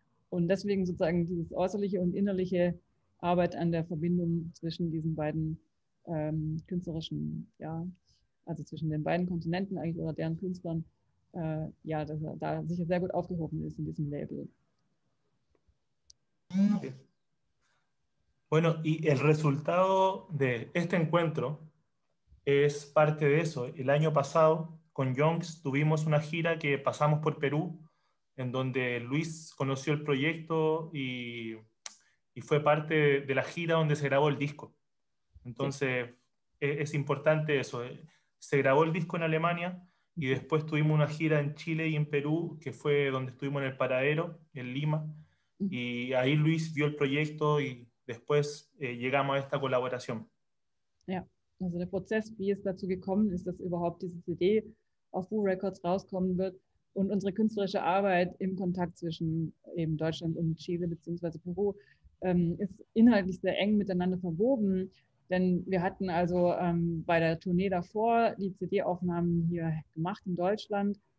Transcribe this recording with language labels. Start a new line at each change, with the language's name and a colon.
German: Und deswegen sozusagen dieses äußerliche und innerliche Arbeit an der Verbindung zwischen diesen beiden künstlerischen, ja, also zwischen den beiden Kontinenten eigentlich oder deren Künstlern, ja, dass er da sicher sehr gut aufgehoben ist in diesem Label.
Spanish: Bueno, y el resultado de este encuentro es parte de eso. El año pasado con Youngs tuvimos una gira que pasamos por Perú, en donde Luis conoció el proyecto y fue parte de la gira donde se grabó el disco. Entonces, es importante eso. Se grabó el disco en Alemania y después tuvimos una gira en Chile y en Perú, que fue donde estuvimos en El Paradero, en Lima. Y ahí Luis vio el proyecto y después llegamos a esta colaboración.
German: Ja, also der Prozess, wie es dazu gekommen ist, dass überhaupt diese CD auf Boo Records rauskommen wird, und unsere künstlerische Arbeit im Kontakt zwischen eben Deutschland und Chile bzw. Peru ist inhaltlich sehr eng miteinander verwoben. Denn wir hatten also bei der Tournee davor die CD-Aufnahmen hier gemacht in Deutschland.